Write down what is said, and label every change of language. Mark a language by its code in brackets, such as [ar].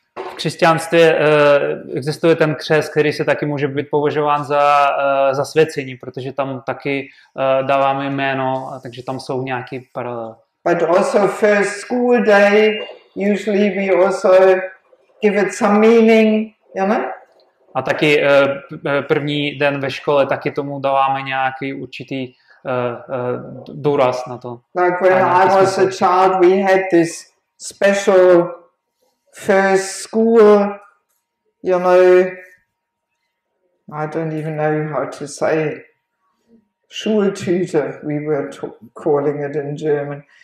[cs] V křesťanství existuje ten křest, který se taky může být považován za svěcení, protože tam taky dáváme jméno, a takže tam jsou nějaký paralel. [en] But also first school day, usually we also give it some meaning, you know? [cs] A taky první den ve škole taky tomu dáváme nějaký určitý důraz na to. [en] Like when I was a child, we had this special first school, you know, I don't even know how to say it. Schultutor, we were calling it in German.